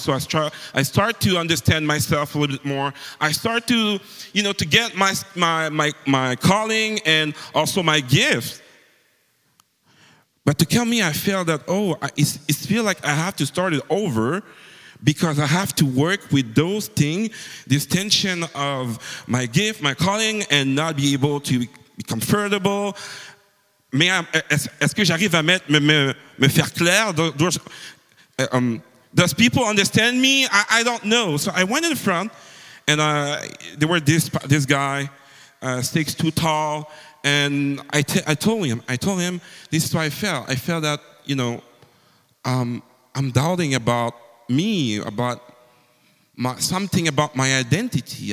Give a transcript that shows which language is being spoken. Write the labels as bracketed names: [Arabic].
[English] So I start to understand myself a little bit more. I start to, you know, to get my calling and also my gift. But to tell me, I felt that, it feels like I have to start it over. Because I have to work with those things, this tension of my gift, my calling, and not be able to be comfortable. [French] Mais est-ce que j'arrive à me faire clair? [English] Does people understand me? I don't know. So I went in front, and there were this guy, 6'2" tall, and I told him, this is how I felt. I felt that, you know, I'm doubting about me, about something about my identity.